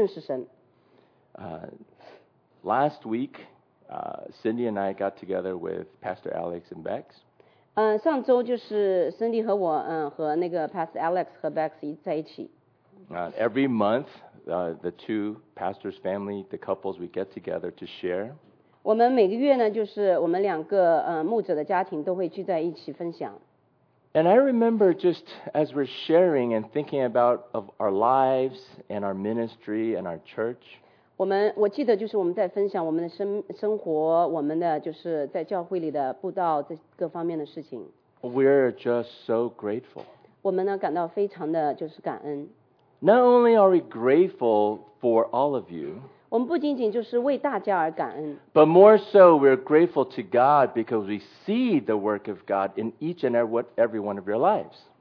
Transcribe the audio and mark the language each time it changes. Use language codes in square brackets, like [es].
[zh] 我们的心思，我们的心灵和我们的行为都要来认识神。 [en] Last week, Cindy and I got together with Pastor Alex and Bex. [zh] 上周就是 Cindy 和我和那个 Pastor Alex 和 Bex 在一起。 [en] Every month, the two pastors' family, the couples, we get together to share. [zh] 我们每个月呢，就是我们两个牧者的家庭都会聚在一起分享。 [en] And I remember just as we're sharing and thinking about of our lives and our ministry and our church. [zh] 我记得就是我们在分享我们的生活，我们的就是在教会里的布道这各方面的事情。 [en] We're just so grateful. [zh] 我们呢感到非常的就是感恩。 [en] Not only are we grateful for all of you. [zh] 我们不仅仅就是为大家而感恩, [en] but more so, we're grateful to God because we see the work of God in each and every one of your lives.